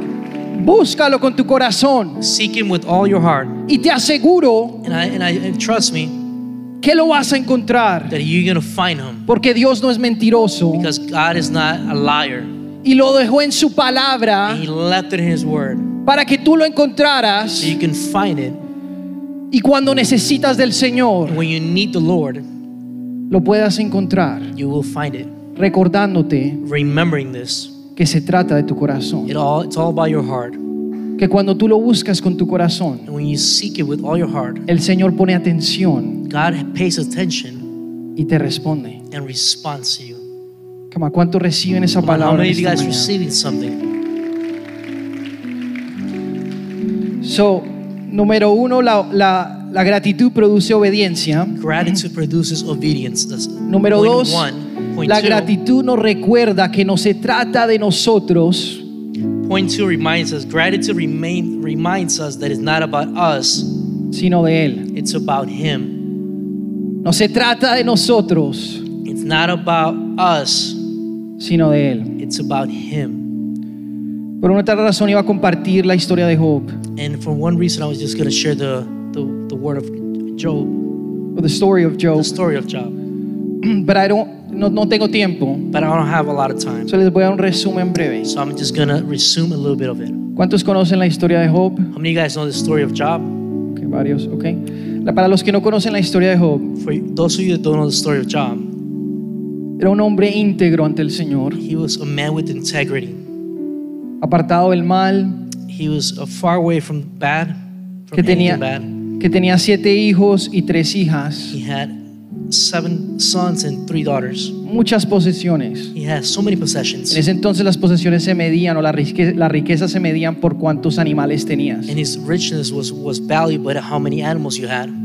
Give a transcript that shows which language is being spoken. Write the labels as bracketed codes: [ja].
[es] Búscalo con tu corazón. [en] Seek him with all your heart. [es] Y te aseguro, [en] and trust me, [es] que lo vas a encontrar. [en] That you're going to find him. [es] Porque Dios no es mentiroso. [en] Because God is not a liar. [es] Y lo dejó en su palabra. [en] And he left it in his word. [es] Para que tú lo encontraras. [en] So you can find it. [es] Y cuando necesitas del Señor, [en] when you need the Lord, [es] lo puedas encontrar. [en] You will find it. [es] Recordándote, [en] remembering this, [es] que se trata de tu corazón. [en] It's all about your heart. [es] Que cuando tú lo buscas con tu corazón, [en] and when you seek it with all your heart, [es] el Señor pone atención. [en] God pays attention. [es] Y te responde. [en] And responds to you. Come on, [es] ¿cuánto reciben esa palabra? [en] How many of you guys receiving something? [es] So, número uno, la gratitud produce obediencia. [en] Gratitude produces obedience. That's [es] número [en] point [es] dos, [en] one, point [es] la [en] two. [es] Gratitud nos recuerda que no se trata de nosotros. [en] Point two reminds us, gratitude reminds us that it's not about us, [es] sino de él. [en] It's about him. [es] No se trata de nosotros. [en] It's not about us, [es] sino de él. [en] It's about him. [es] Por una otra razón iba a compartir la historia de Job. [en] And for one reason I was just going to share the word of Job. Or the story of Job. The story of Job. But I don't, [es] no tengo tiempo. [en] But I don't have a lot of time. [es] So les voy a un resumen breve. [en] So I'm just going to resume a little bit of it. [es] ¿Cuántos conocen la historia de Job? [en] How many of you guys know the story of Job? [es] Okay, varios, okay. Para los que no conocen la historia de Job. [en] For those of you that don't know the story of Job. [es] Era un hombre íntegro ante el Señor. [en] He was a man with integrity. [es] Apartado del mal, [en] he was far away from bad, from [es] que tenía [en] bad. [es] Que tenía siete hijos y tres hijas. [en] He had seven sons and three daughters. [es] Muchas posesiones. [en] He has so many possessions. [es] En ese entonces las posesiones se medían o la riqueza se medían por cuántos animales tenías. [en] And his richness was valued by how many animals you had.